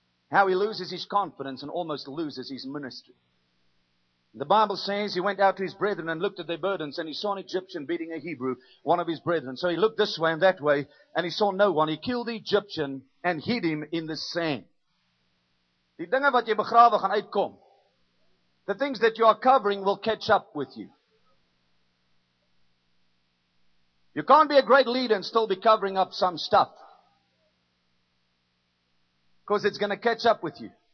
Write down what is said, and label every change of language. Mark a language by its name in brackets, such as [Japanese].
[English] How he loses his confidence and almost loses his ministry. The Bible says he went out to his brethren and looked at their burdens, and he saw an Egyptian beating a Hebrew, one of his brethren. So he looked this way and that way, and he saw no one. He killed the Egyptian and hid him in the sand. [Afrikaans] Die dinge wat jy begrawe gaan uitkom. [English] The things that you are covering will catch up with you. You can't be a great leader and still be covering up some stuff, because it's going to catch up with you.